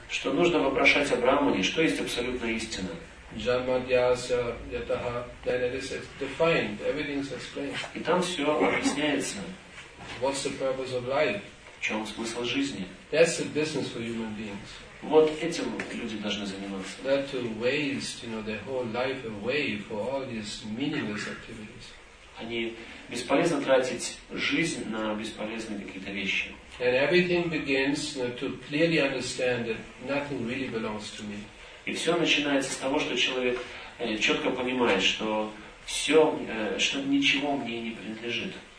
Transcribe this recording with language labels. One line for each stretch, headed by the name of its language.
Russian: Что нужно вопрошать о Брахмане? Что есть абсолютная истина?
English: Jamadhyasa yataha, then it is defined. Everything is explained.
Russian: И там все объясняется.
English: What's the purpose of life?
Russian: В чем смысл жизни?
English: That's the business for human beings.
Russian: Вот этим люди должны заниматься.
English: Not to waste, their whole life away for all these meaningless activities.
Russian: Они бесполезно тратить жизнь на бесполезные какие-то вещи.
English: And everything begins to clearly understand that nothing really belongs to me.
Russian: И все начинается с того, что человек четко понимает, что все, что ничего мне не принадлежит.